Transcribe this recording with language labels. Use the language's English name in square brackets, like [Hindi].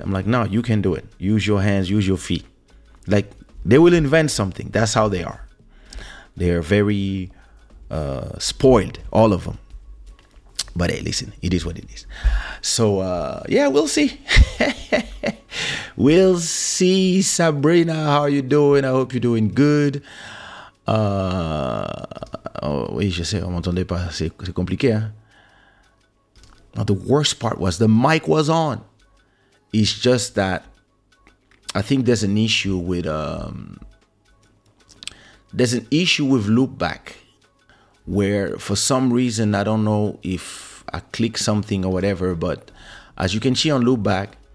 [English] I'm like, no, you can do it. Use your hands, use your feet. Like, they will invent something. That's how they are. They are very spoiled, all of them. But hey, listen, it is what it is. So yeah, we'll see. We'll see. Sabrina, how are you doing? I hope you're doing good. [French] Oui, je sais, on m'entendait pas, c'est compliqué, hein? [English] Now, the worst part was the mic was on. It's just that I think there's an issue with loopback, where for some reason, I don't know if I click something or whatever, but as you can see on loopback,